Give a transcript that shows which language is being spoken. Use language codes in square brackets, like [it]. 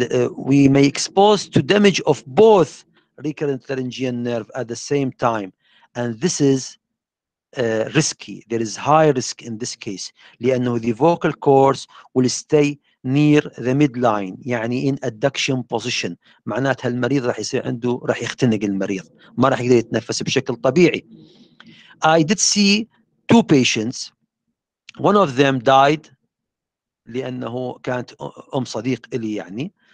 [en] We may expose to damage of both recurrent laryngeal nerve at the same time and this is risky. There is high risk in this case. لأنه the vocal cords will stay near the midline. يعني in adduction position. [ar] معناتها المريض راح يصير عنده راح يختنق المريض. ما راح يقدر يتنفس بشكل طبيعي. [en] I did see two patients. One of them died. [ar] لأنه كانت أم صديق إلي يعني.